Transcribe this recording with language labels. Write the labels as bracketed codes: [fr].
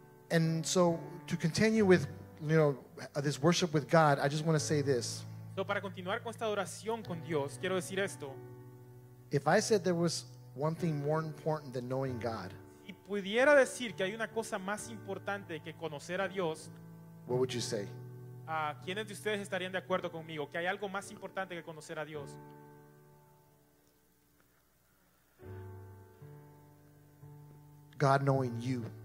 [en] And so to continue with, you know, this worship with God, I just want to say this. [es] So para continuar con esta adoración con Dios, quiero decir esto. [en] If I said there was one thing more important than knowing God, [es] si pudiera decir que hay una cosa más importante que conocer a Dios, [en] what would you say? [es] ¿Quiénes de ustedes estarían de acuerdo conmigo que hay algo más importante que conocer a Dios? [en] God knowing you.